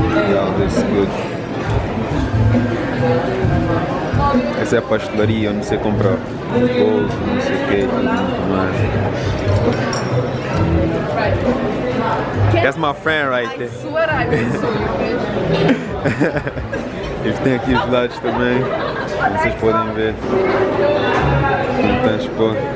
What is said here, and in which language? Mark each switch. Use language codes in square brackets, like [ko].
[en] Yeah, this is good. [pt] Essa é a pastelaria onde você compra bolos, não sei o que, muito mais. [en] That's my friend right there. I swear I saw you. [pt] Eles têm aqui os lados também. Como vocês podem ver, não tem expo.